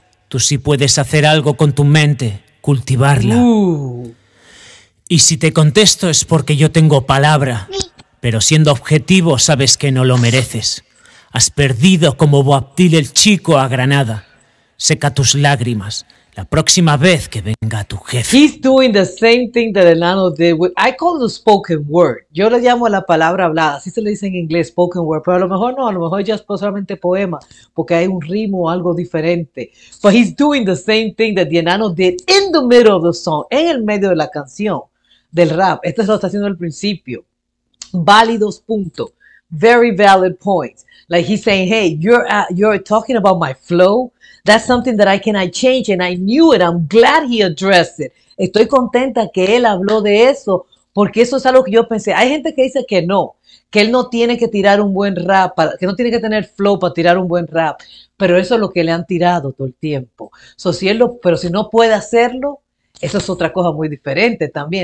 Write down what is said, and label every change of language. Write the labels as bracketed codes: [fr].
[es] Tú sí puedes hacer algo con tu mente, cultivarla. Y si te contesto es porque yo tengo palabra, pero siendo objetivo sabes que no lo mereces. Has perdido como Boabdil el Chico a Granada. Seca tus lágrimas la próxima vez que venga tu jefe. [en] He's doing the same thing that Enano did with, I call it the spoken word. [es] Yo le llamo a la palabra hablada, así se le dice en inglés, spoken word, pero a lo mejor no, a lo mejor ya es solamente poema, porque hay un ritmo o algo diferente. [en] But he's doing the same thing that the Enano did in the middle of the song, [es] en el medio de la canción, del rap. Esto se lo está haciendo al principio. Válidos puntos. [en] Very valid points. Like he's saying, hey, you're talking about my flow. That's something that I cannot change, and I knew it. I'm glad he addressed it. [es] Estoy contenta que él habló de eso, porque eso es algo que yo pensé. Hay gente que dice que él no tiene que tirar un buen rap, que no tiene que tener flow para tirar un buen rap. Pero eso es lo que le han tirado todo el tiempo. So, si él lo, pero si no puede hacerlo, eso es otra cosa muy diferente también.